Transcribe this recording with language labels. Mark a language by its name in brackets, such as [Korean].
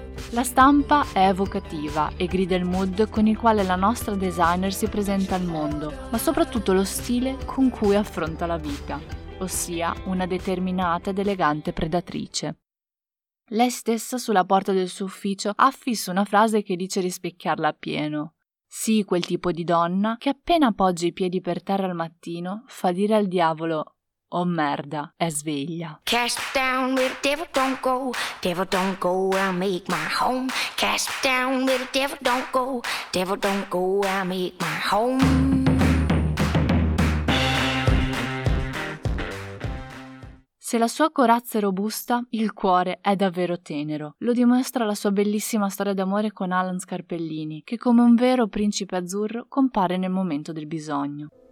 [Italian] La stampa è evocativa e grida il mood con il quale la nostra designer si presenta al mondo, ma soprattutto lo stile con cui affronta la vita, ossia una determinata ed elegante predatrice. Lei stessa sulla porta del suo ufficio affissa una frase che dice rispecchiarla appieno. Sì, quel tipo di donna che appena appoggia i piedi per terra al mattino fa dire al diavolo: oh merda, è sveglia. [English] Cast down where the devil don't go, I make my home. Cast down where the devil don't go, I make my home. [Italian] Se la sua corazza è robusta, il cuore è davvero tenero. Lo dimostra la sua bellissima storia d'amore con Alan Scarpellini, che come un vero principe azzurro compare nel momento del bisogno.